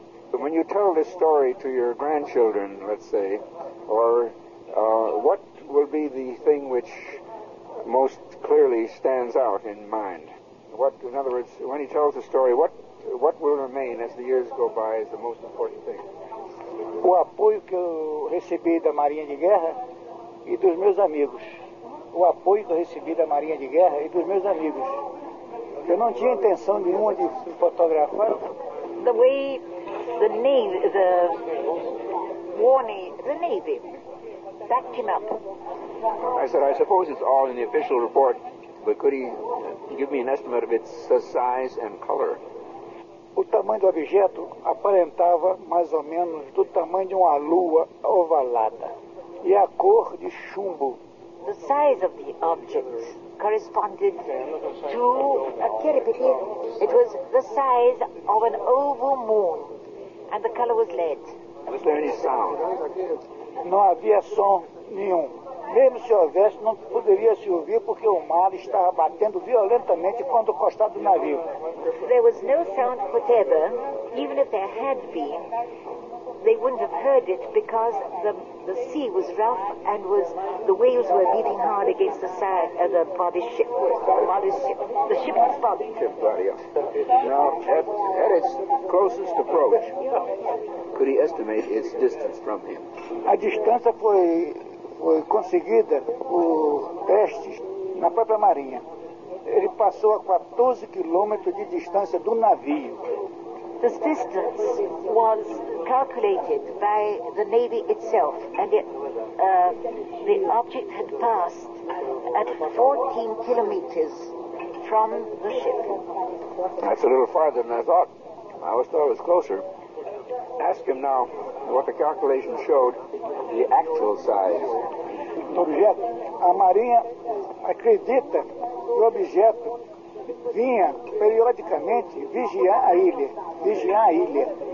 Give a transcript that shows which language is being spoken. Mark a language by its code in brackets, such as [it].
[en] But when you tell this story to your grandchildren, let's say, or what will be the thing which most clearly stands out in mind? What, in other words, when he tells the story, what will remain as the years go by as the most important thing? [pt] O apoio que eu recebi da Marinha de Guerra e dos meus amigos. O apoio que eu recebi da Marinha de Guerra e dos meus amigos. Eu não tinha intenção nenhuma de fotografar. [en] The way the Navy backed him up. I said, I suppose it's all in the official report, but could he give me an estimate of its size and color? [pt] O tamanho do objeto aparentava mais ou menos do tamanho de uma lua ovalada e a cor de chumbo. [en] The size of the object corresponded to a caribou. It was the size of an oval moon, and the color was lead. Was there any sound? [pt] Não havia som nenhum. Mesmo se houvesse, não poderia se ouvir porque o mar estava batendo violentamente contra o costado do navio. [en] There was no sound whatever. Even if there had been, they wouldn't have heard it because the the sea was rough and was the waves were beating hard against the side of the body ship. The ship was body. Ship body, yeah. Now, at its closest approach, could he estimate its distance from him? [pt] A distância foi conseguida por testes na própria marinha. Ele passou a 14 quilômetros de distância do navio. [en] This distance was calculated by the Navy itself, and the object had passed at 14 kilometers from the ship. That's a little farther than I thought. I always thought it was closer. Ask him now what the calculation showed, the actual size. [pt] Objeto. A Marinha acredita que o objeto vinha periodicamente vigiar a ilha.